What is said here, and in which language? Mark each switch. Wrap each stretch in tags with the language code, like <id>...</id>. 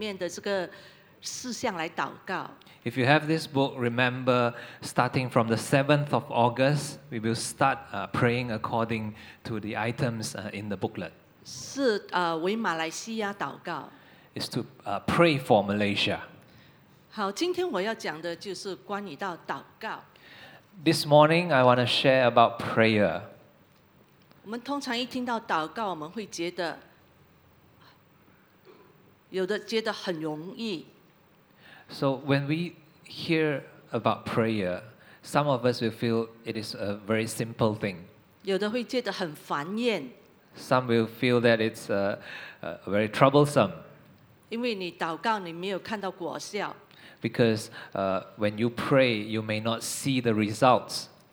<zh>既然我们买了，我们记得8月7号就开始跟着这本册子里面的这个事项来祷告。</zh> <en>If you have this book, remember, starting from the 7th of August, we will start praying according to the items in the booklet.</en> <zh>是为马来西亚祷告。</zh> <en>It's to pray for Malaysia.</en> <zh>好，今天我要讲的就是关于到祷告。</zh> <en>This morning, I want to share about prayer.</en> <zh>我们通常一听到祷告，我们会觉得有的觉得很容易。</zh> <en>So when we hear about prayer, some of us will feel it is a very simple thing.</en> <zh>有的会觉得很烦厌。</zh> <en>Some will feel that it's very troublesome.</en> <zh>因为你祷告，你没有看到果效。</zh> <en>Because when you pray, you may not see the results.</en>